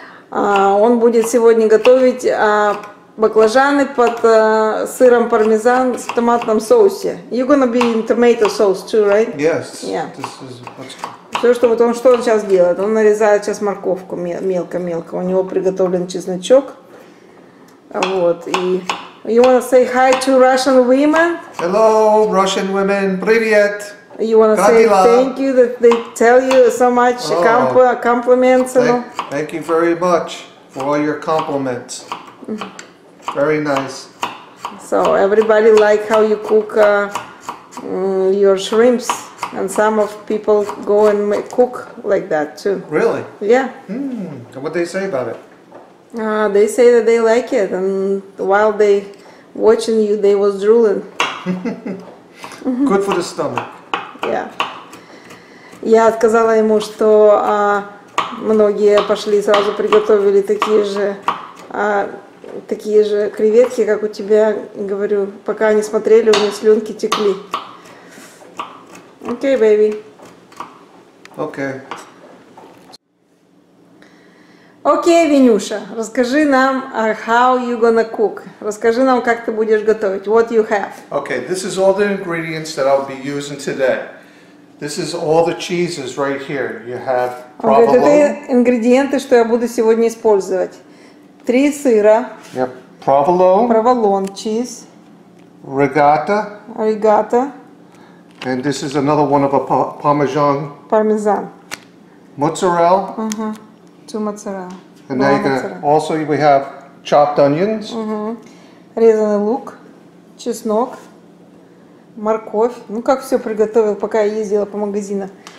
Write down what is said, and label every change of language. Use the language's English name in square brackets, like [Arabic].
[Russian] Он будет сегодня готовить баклажаны под сыром пармезан в томатном соусе. [English] You're gonna be in tomato sauce too, right? Yes. Yeah. [Russian] Все, что вот он, что он сейчас делает? Он нарезает сейчас морковку мелко-мелко. У него приготовлен чесночок. Вот. [English] И you wanna say hi to Russian women? Hello, Russian women. [Russian] Привет. [English] You wanna say thank you that they tell you so much compliments. Thank you very much for all your compliments. Very nice. So everybody like how you cook your shrimps, and some of people go and make, cook like that too. Really? Yeah. Hmm. And what they say about it? They say that they like it, and while they watching you, they was drooling. Good for the stomach. Yeah. [Russian] Я сказала ему, что многие пошли сразу приготовили такие же креветки, как у тебя, говорю, пока они смотрели, у них слюнки текли. [English] Okay, baby. Okay. Окей, Венюша, [Russian] расскажи нам, [English] how you gonna cook. [Russian] Расскажи нам, как ты будешь готовить. [English] What you have? Okay, this is all the ingredients that I'll be using today. This is all the cheeses right here. You have provolone. [Russian] Okay, это ингредиенты, что я буду сегодня использовать. Три сыра. [English] Yep. Provolone. Provolone cheese. Ricotta. Ricotta. And this is another one of a parmesan. Parmesan. Mozzarella. Two mozzarella. And now you're gonna, also we have chopped onions. [Russian] Резанный лук, чеснок, морковь. Ну как все приготовил, пока я ездила по магазинам.